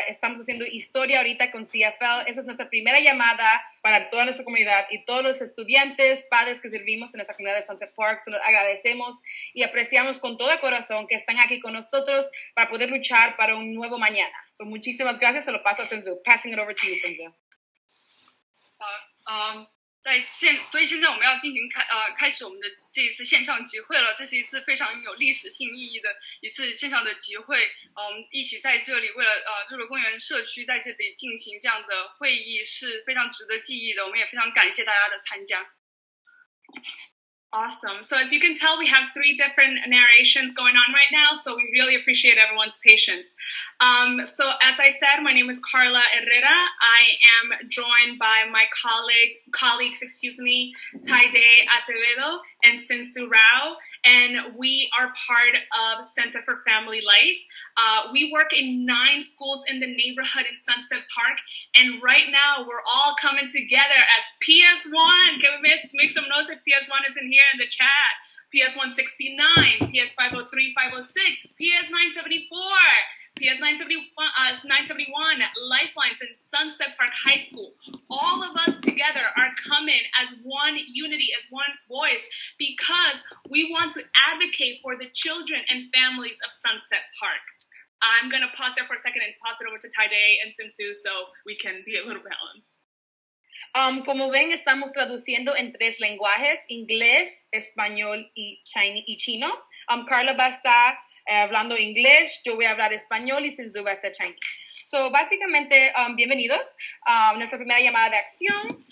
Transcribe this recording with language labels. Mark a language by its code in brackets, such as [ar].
[es] Estamos haciendo historia ahorita con CFL. Esa es nuestra primera llamada para toda nuestra comunidad y todos los estudiantes, padres que servimos en nuestra comunidad de Sunset Park. Se los agradecemos y apreciamos con todo corazón que están aquí con nosotros para poder luchar para un nuevo mañana. So, muchísimas gracias. Se lo paso a Senzu. [en] Passing it over to you, Senzu. [zh] 所以现在我们要进行开始我们的这一次线上集会了。这是一次非常有历史性意义的一次线上的集会。我们一起在这里为了日落公园社区在这里进行这样的会议是非常值得记忆的。我们也非常感谢大家的参加。 [en] Awesome. So as you can tell, we have three different narrations going on right now, so we really appreciate everyone's patience. So as I said, my name is Carla Herrera. I am joined by my colleagues, Taide Acevedo and Sinsu Rao, and we are part of Center for Family Life. We work in 9 schools in the neighborhood in Sunset Park, and right now we're all coming together as PS1. Can we make some noise if PS1 isn't here in the chat? PS169, PS503, 506, PS974, PS971, Lifelines in Sunset Park High School. All of us together are coming as one unity, as one voice, because we want to advocate for the children and families of Sunset Park. I'm going to pause there for a second and toss it over to Taide and Sinsu so we can be a little balanced. [es] Como ven, estamos traduciendo en 3 lenguajes, inglés, español y chino. Carla va a estar hablando inglés, yo voy a hablar español y Sinsu va a estar chino. So, básicamente, bienvenidos a nuestra primera llamada de acción.